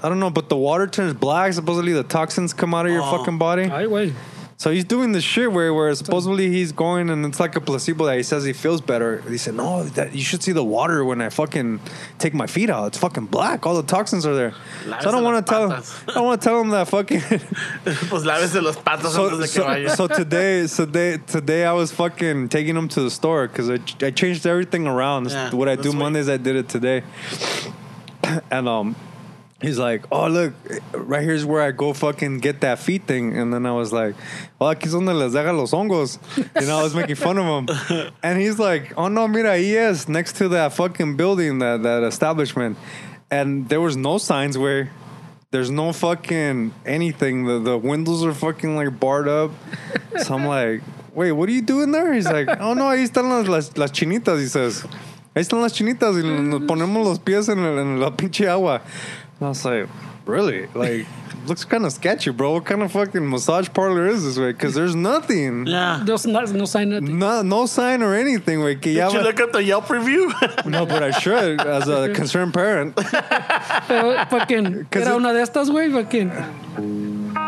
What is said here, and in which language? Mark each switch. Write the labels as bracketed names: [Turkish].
[English] I don't know, but the water turns black. Supposedly the toxins come out of your fucking body. I wait. So he's doing this shit where supposedly he's going, and it's like a placebo that he says he feels better. He said, no, that you should see the water when I fucking take my feet out. It's fucking black. All the toxins are there. So I don't want to tell him that fucking. [Spanish] Pues lávese los patas antes de que vaya. [English] So today I was fucking taking him to the store because I changed everything around. Yeah, what I do Mondays, I did it today. And he's like, oh, look, right here's where I go fucking get that feet thing. And then I was like, well, aquí es donde les deja los hongos. You know, I was making fun of him. And he's like, oh, no, [Spanish] mira, ahí es, [English] next to that fucking building, that establishment. And there was no signs where there's no fucking anything. The windows are fucking, like, barred up. So I'm like, wait, what are you doing there? He's like, oh, no, [Spanish] ahí están las chinitas, [English] he says. [Spanish] Ahí están las chinitas y nos ponemos los pies en la pinche agua. [English] And I was like, really? Like, looks kind of sketchy, bro. What kind of fucking massage parlor is this way? Because there's nothing. Yeah. There's no sign of nothing. No sign or anything. Wey. Did you look at the Yelp review? No, but I should, as a concerned parent. [Spanish] Fucking, era una de estas, güey, fucking.